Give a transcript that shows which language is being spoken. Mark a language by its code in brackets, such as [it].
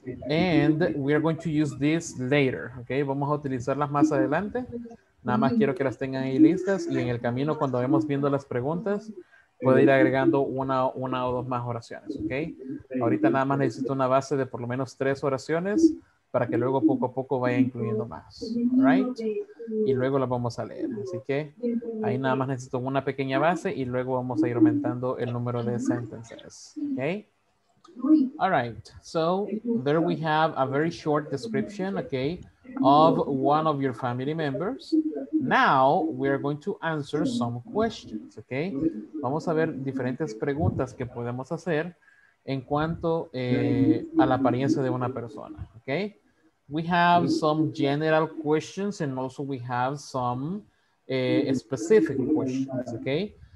[en] And we are going to use this later. [es] Okay, vamos a utilizarlas más adelante. Nada más quiero que las tengan ahí listas y en el camino cuando vemos viendo las preguntas puedo ir agregando una o dos más oraciones. Okay. Ahorita nada más necesito una base de por lo menos 3 oraciones para que luego poco a poco vaya incluyendo más, right? Y luego las vamos a leer. Así que ahí nada más necesito una pequeña base y luego vamos a ir aumentando el número de sentences, okay? [en] All right, so there we have a very short description, okay, of one of your family members. Now we are going to answer some questions, okay? [es] Vamos a ver diferentes preguntas que podemos hacer en cuanto a la apariencia de una persona, okay? [en] We have some general questions and also we have some specific questions, okay?